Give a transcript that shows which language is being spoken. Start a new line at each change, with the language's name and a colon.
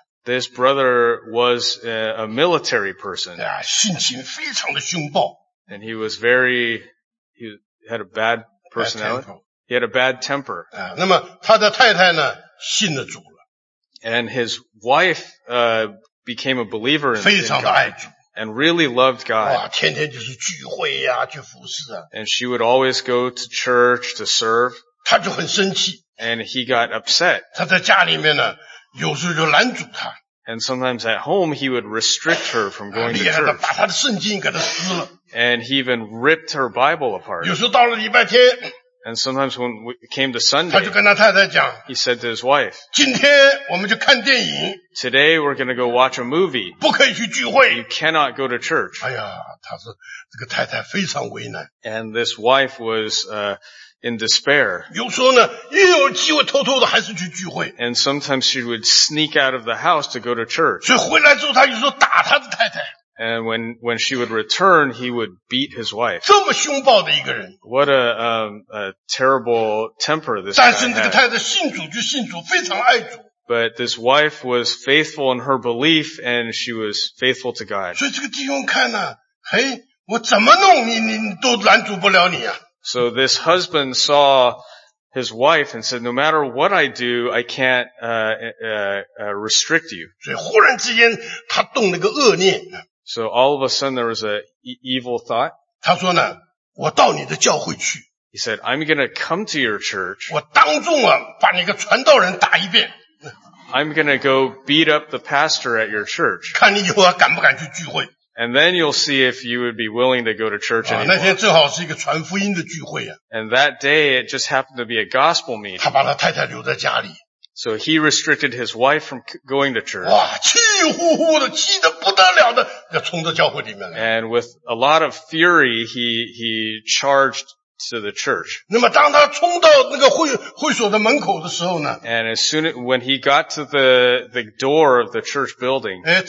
English: This brother was a military person.
Chinese: 啊, 性情非常的凶暴。
English: And he was very, had a bad personality. He had a bad temper.
Chinese: 啊, 那么他的太太呢, 信了主了。
English: And his wife became a believer in God. And really loved God.
Chinese: 哇, 天天就是聚会啊, 去服侍啊。
English: And she would always go to church to serve.
Chinese: 他就很生气。
English: And he got upset.
Chinese: 他在家里面呢, 有时候就拦阻他。
English: And sometimes at home he would restrict her from going
Chinese: 啊, 厉害的,
English: to church.
Chinese: 把他的圣经给他撕了。
English: And he even ripped her Bible apart.
Chinese: 有时候到了礼拜天,
English: and sometimes when it came to Sunday,
Chinese: 他就跟他太太讲,
English: he said to his wife,
Chinese: 今天我们就看电影,
English: today we're going to go watch a movie.
Chinese: 不可以去聚会,
English: you cannot go to church.
Chinese: 哎呀, 他说, 这个太太非常为难,
English: and this wife was in despair.
Chinese: 有时候呢, 也有机会偷偷的还是去聚会,
English: and sometimes she would sneak out of the house to go to church.
Chinese: 所以回来之后, 他有时候打他的太太。
English: And when she would return, he would beat his wife.
Chinese: 这么凶暴的一个人,
English: what a terrible temper this guy had. But this wife was faithful in her belief and she was faithful to God.
Chinese: 所以这个弟兄看啊, 嘿, 我怎么弄你, 你都拦阻不了你啊。
English: So this husband saw his wife and said, no matter what I do, I can't restrict you.
Chinese: 所以忽然之间, 他动了个恶念。
English: So all of a sudden there was an evil thought.
Chinese: 他说呢, 我到你的教会去。
English: He said, I'm going to come to your church.
Chinese: 我当众啊, 把你个传道人打一遍。
English: I'm going to go beat up the pastor at your church.
Chinese: 看你以后敢不敢去聚会。
English: And then you'll see if you would be willing to go to church anymore.
Chinese: 那天正好是一个传福音的聚会啊。
English: And that day it just happened to be a gospel meeting.
Chinese: 他把他太太留在家里。
English: So he restricted his wife from going to church.
Chinese: 哇，气呼呼的，气得不得了的，要冲到教会里面来。
English: And with a lot of fury, he charged to the church.
Chinese: 那么当他冲到那个会所的门口的时候呢？
English: And as soon as, when he got to the door of the church building,